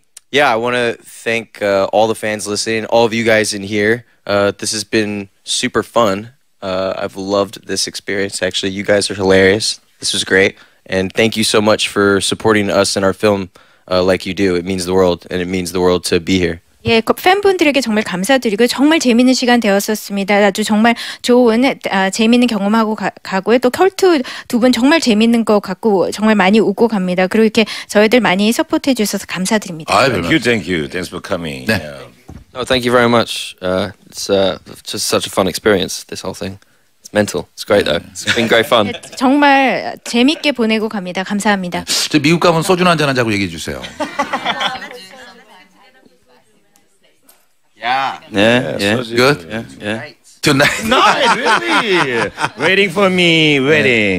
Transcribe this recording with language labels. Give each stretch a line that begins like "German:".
English: Yeah, I want to thank all the fans listening, all of you guys in here. This has been super fun. I've loved this experience. Actually, you guys are hilarious. This was great. And thank you so much for supporting us and our film like you do. It means the world, and it means the world to be here.
Korean: 예, 팬분들에게 정말 감사드리고 정말 재미있는 시간 되었었습니다. 아주 정말 좋은 재미있는 경험하고 가고요. 또 컬투 두 분 정말 재미있는 거 갖고 정말 많이 웃고 갑니다. 그리고 이렇게 저희들 많이 서포트해 주셔서 감사드립니다.
English: Thank you. Thanks for coming.
Korean: 네.
English: Oh, thank you very much. It's just such a fun experience, this whole thing. It's mental. It's great though. It's been great fun.
Korean: 정말 재미있게 보내고 갑니다. 감사합니다. 저 미국 가면 소주 한잔 하자고 얘기해 주세요. 야.
English: Yeah. 네. Yeah. Yeah. Good. Yeah. Tonight. Nice, really. Waiting for me. Waiting.